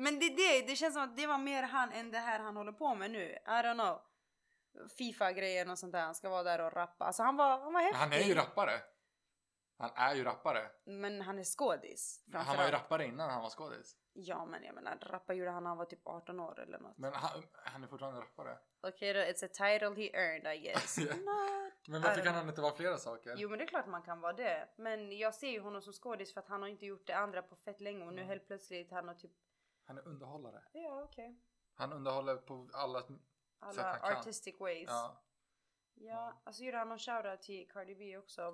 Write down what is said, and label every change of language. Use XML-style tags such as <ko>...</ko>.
<sv>Men det känns som att det var mer han än det här han håller på med nu.</sv> <en>I don't know.</en> <sv>FIFA-grejen och sånt där, han ska vara där och rappa. Alltså han var häftig. Han är ju rappare. Han är ju rappare. Men han är skådis. Han var ju rappare innan han var skådis. Ja, men jag menar, rappa gjorde han när han var typ 18 år eller något. Men han är fortfarande rappare. Okej</sv> <en>okay, då, it's a title he earned, I guess.</en> <sv>Men varför kan han inte vara flera saker? Jo, men det är klart man kan vara det. Men jag ser ju honom som skådis för att han har inte gjort det andra på fett länge. Och nu helt plötsligt han har typ... Han är underhållare. Ja, okej. Okay. Han underhåller på alla sätt han</sv> <en>artistic</en> <sv>kan.</sv> <en>Artistic ways.</en> <sv>Ja. Ja, alltså gjorde han någon shoutout till Cardi B också?</sv>